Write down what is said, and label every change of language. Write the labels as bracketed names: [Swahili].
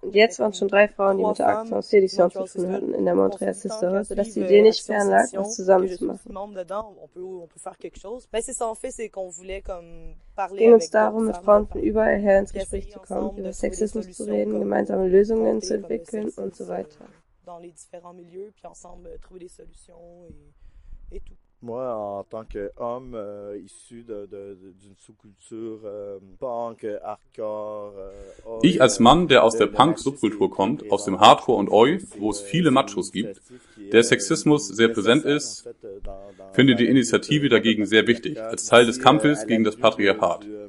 [German] Und jetzt waren schon drei Frauen, die mit der Aktion Sédition zu tun hatten in der Montreal Sisterhood, sodass die Idee nicht fern lag, was zusammen zu machen. Es ging uns darum, mit Frauen von überall her ins Gespräch zu kommen, über Sexismus zu reden, gemeinsame Lösungen zu entwickeln und so weiter. [French] Dans les différents milieux, puis ensemble trouver des solutions et tout. Moi, en tant qu'homme issu d'une sous-culture punk, hardcore... [German] Ich als Mann, der aus der Punk-Subkultur kommt, aus dem Hardcore und Oi, wo es viele Machos gibt, der Sexismus sehr präsent ist, finde die Initiative dagegen sehr wichtig, als Teil des Kampfes gegen das Patriarchat.